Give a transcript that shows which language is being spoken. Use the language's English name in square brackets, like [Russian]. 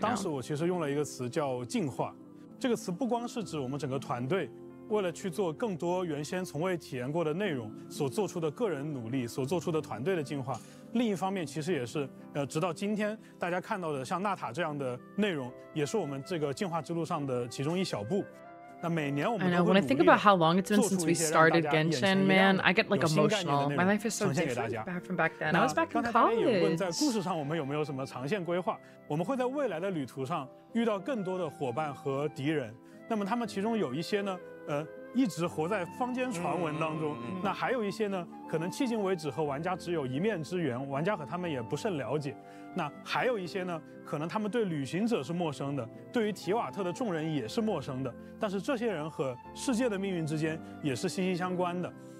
[Chinese] 当时我其实用了一个词叫进化，这个词不光是指我们整个团队为了去做更多原先从未体验过的内容所做出的个人努力，所做出的团队的进化，另一方面其实也是直到今天大家看到的像纳塔这样的内容也是我们这个进化之路上的其中一小步。那每年我们都会努力。 [English] When I think about how long it's been since we started Genshin, man, I get like emotional. My life is so different from back then. I was back in college. [Chinese] 刚才也问在故事上我们有没有什么长线规划，我们会在未来的旅途上遇到更多的伙伴和敌人，那么他们其中有一些呢一直活在坊间传闻当中，那还有一些呢可能迄今为止和玩家只有一面之缘，玩家和他们也不甚了解，那还有一些呢可能他们对旅行者是陌生的，对于提瓦特的众人也是陌生的，但是这些人和世界的命运之间也是息息相关的。